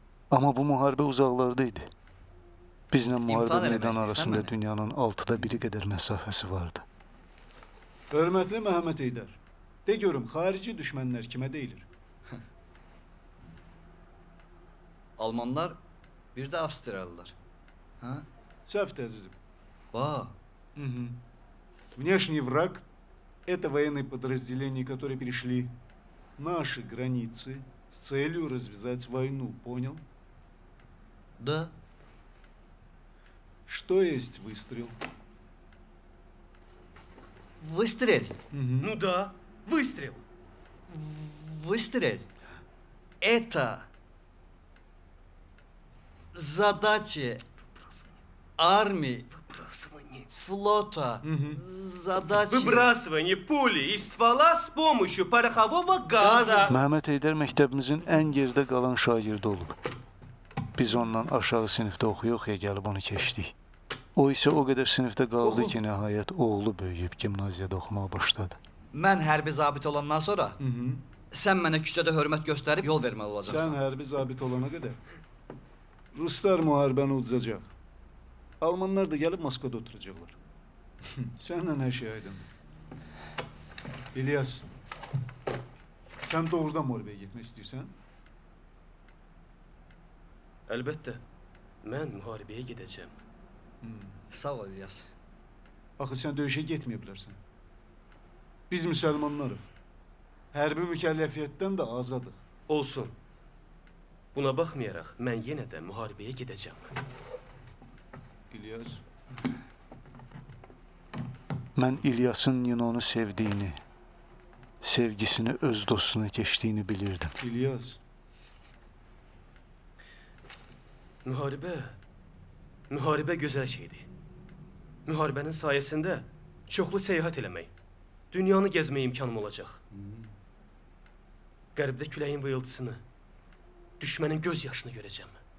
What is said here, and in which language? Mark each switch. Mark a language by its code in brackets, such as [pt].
[az] Amma bu müharibə uzaqlarda idi. Bizlə müharibə meydanı arasında dünyanın 6-da 1-i qədər məsafəsi vardı. Hörmətli Məhəmməd Heydər, de görüm, xarici düşmənlər kimə deyilir? Almanlar, bir də Avstriyalılar. Səhvdir, əzizim. Ба. [ru] Внешний враг – это военные подразделения, которые перешли наши границы с целью развязать войну. Понял? Да. Что есть выстрел? Выстрел? Ну да, выстрел. Выстрел – это задача армии. Флота. Задача. Выбрасывание пули из ствола с помощью порохового газа. [az] Мехмет Эйдер мектебimizin ən gerdə qalan şagirdi olub. Biz ondan aşağı sinifdə oxuyuq, ya gəlib onu keçdik. O isə o qədər sinifdə qaldı ki, nəhayət oğlu böyüyüb gimnaziyada oxumağa başladı. Mən hərbi zabit olandan sonra sən mənə küçədə hörmət göstərib yol verməli olacaqsan. Sən hərbi zabit olana qədər ruslar müharibəni uduzacaq. Almanlar da gəlib Moskvada oturacaqlar. Sənlə hər şey aydındır. İlyas, sən doğrudan müharibəyə getmək istəyirsən? Əlbəttə, mən müharibəyə gedəcəm. Sağ ol, İlyas. Axı, sən döyüşə getməyə bilərsən. Biz müsəlmanlarıq. Hərbi mükəlləfiyyətdən də azadıq. Olsun. Buna baxmayaraq, mən yenə də müharibəyə gedəcəm. İlyas. Mən İlyasın Ninonu sevdiğini, sevgisini öz dostuna keçdiyini bilirdim. İlyas. Müharibə, müharibə gözəl şeydi. Müharibənin sayəsində çoxlu səyahət eləmək, dünyanı gəzmək imkanım olacaq. Qərbdə küləyin vıyıltısını, düşmənin göz yaşını görəcəm.